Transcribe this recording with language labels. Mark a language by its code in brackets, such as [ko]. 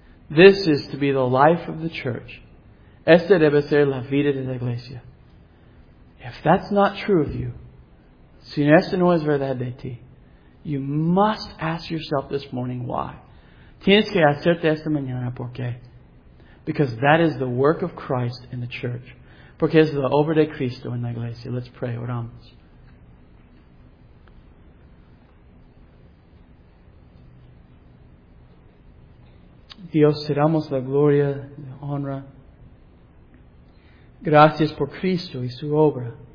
[en] This is to be the life of the church. [es] Esta debe ser la vida de la iglesia. [en] If that's not true of you, [es] si esta no es verdad de ti, [en] you must ask yourself this morning why. [es] Tienes que hacerte esta mañana por qué. [en] Because that is the work of Christ in the church. [es] Porque es la obra de Cristo en la iglesia. [en] Let's pray. [es] Oramos. Dios, te damos la gloria, la honra. Gracias por Cristo y su obra.